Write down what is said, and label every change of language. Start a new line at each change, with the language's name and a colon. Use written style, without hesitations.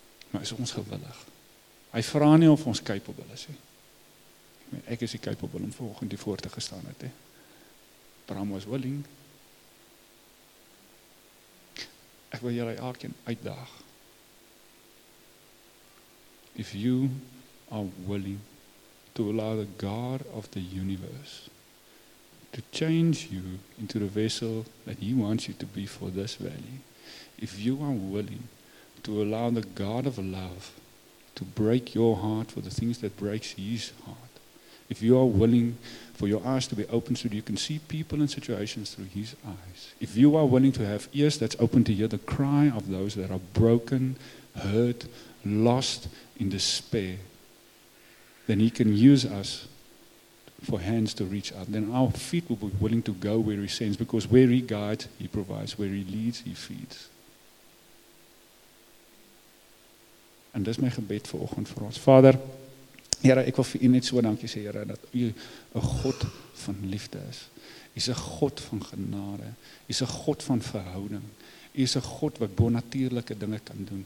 Afrikaans: Maar is ons gewillig? Hy vraag nie of ons capable is. Ek is die capable om volgend die voor te gestaan het.
English: Bram was willing.
Afrikaans: Ek wil julle elkeen uitdaag.
English: If you are willing to allow the God of the universe to change you into the vessel that he wants you to be for this valley, if you are willing to allow the God of love to break your heart for the things that breaks his heart, if you are willing for your eyes to be open so that you can see people and situations through his eyes, if you are willing to have ears that's open to hear the cry of those that are broken, hurt, lost in despair, then he can use us for hands to reach out. Then our feet will be willing to go where he sends, because where he guides, he provides. Where he leads, he feeds.
Afrikaans: En dis my gebed vir oggend vir ons. Vader, Here, ek wil vir u net so dankie sê, Here, dat u 'n God van liefde is. U is 'n God van genade. U is 'n God van verhouding. U is 'n God wat bonatuurlike dinge kan doen.